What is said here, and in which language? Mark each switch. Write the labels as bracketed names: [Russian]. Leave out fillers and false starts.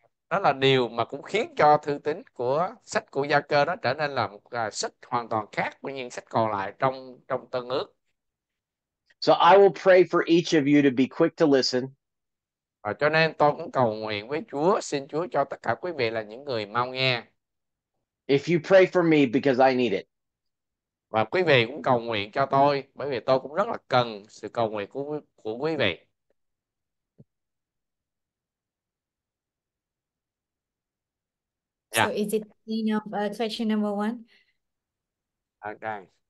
[Vietnamese] Đó là điều mà cũng khiến cho thư tín của sách của Gia Cơ đó trở nên là một sách hoàn toàn khác với những sách còn lại trong trong Tân Ước. [English] So I will pray for each of you to be quick to listen. [Vietnamese] Và cho nên tôi cũng cầu nguyện với Chúa, xin Chúa cho tất cả quý vị là những người mau nghe. [English] If you pray for me because I need it. [Vietnamese] Và quý vị cũng cầu nguyện cho tôi, bởi vì tôi cũng rất là cần sự cầu nguyện của quý vị. [English] So is it question number one? Okay.